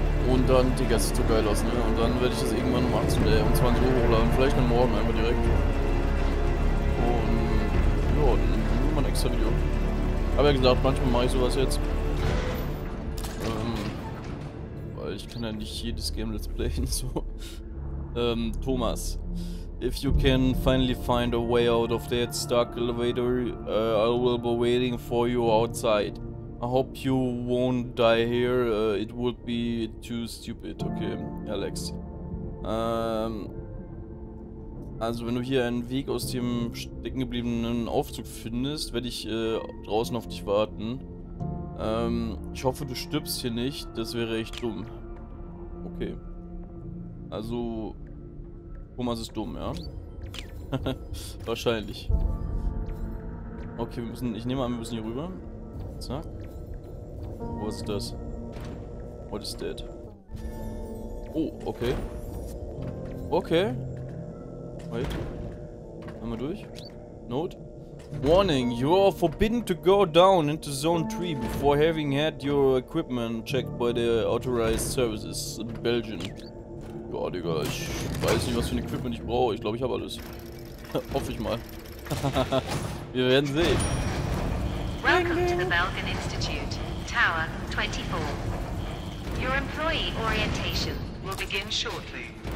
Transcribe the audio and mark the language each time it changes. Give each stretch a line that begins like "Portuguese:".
German: Und dann, Digga, das sieht so geil aus, ne? Und dann werde ich das irgendwann um 18 Uhr, um 20 Uhr hochladen. Vielleicht noch morgen einfach direkt. Und. Ja, dann machen wir mal ein extra Video. Aber wie gesagt, manchmal mache ich sowas jetzt. Weil ich kann ja nicht jedes Game Let's Playen, so. Thomas.
English: If you can finally find a way out of that stuck elevator, I will be waiting for you outside. I hope you won't die here, it would be too stupid. Okay, Alex.
German: Also wenn du hier einen Weg aus dem stecken gebliebenen Aufzug findest, werde ich draußen auf dich warten. Ich hoffe, du stirbst hier nicht, das wäre echt dumm. Okay. Also, Thomas ist dumm, ja? Wahrscheinlich. Okay, wir müssen. Ich nehme an, wir müssen hier rüber. Zack. Was ist das?
English: What is that?
German: Oh, okay. Okay. Wait. Einmal durch. Note.
English: Warning, you are forbidden to go down into zone 3 before having had your equipment checked by the authorized services in Belgium.
German: Ja, Digga, ich weiß nicht, was für ein Equipment ich brauche. Ich glaube, ich habe alles. Hoffe ich mal. Wir werden sehen.
English: Welcome to the Belgian Institute, Tower 24. Your employee orientation will begin shortly.